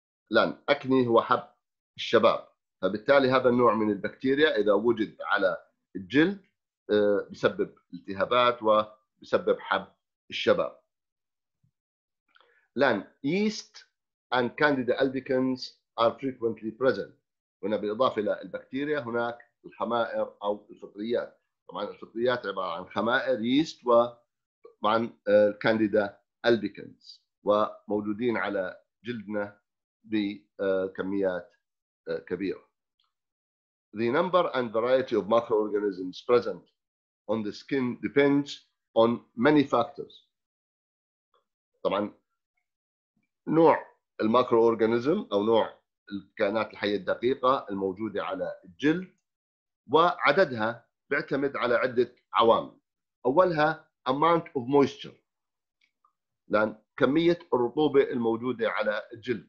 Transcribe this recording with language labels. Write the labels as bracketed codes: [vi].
[ar] لأن acne هو حب الشباب, فبالتالي هذا النوع من البكتيريا إذا وجد على الجلد بسبب التهابات وبسبب حب الشباب. [en] لأن yeast and candida albicans are frequently present. [ar] هنا بالإضافة إلى البكتيريا هناك الخمائر أو الفطريات. طبعا الفطريات عبارة عن خمائر yeast وطبعا candida albicans, وموجودين على جلدنا بكميات كبيرة. [en] The number and variety of microorganisms present on the skin depends on many factors. [ar] طبعا نوع الميكروأورغانيزم أو نوع الكائنات الحية الدقيقة الموجودة على الجلد وعددها بيعتمد على عدة عوامل. أولها [en] amount of moisture, [ar] لأن كمية الرطوبة الموجودة على الجلد.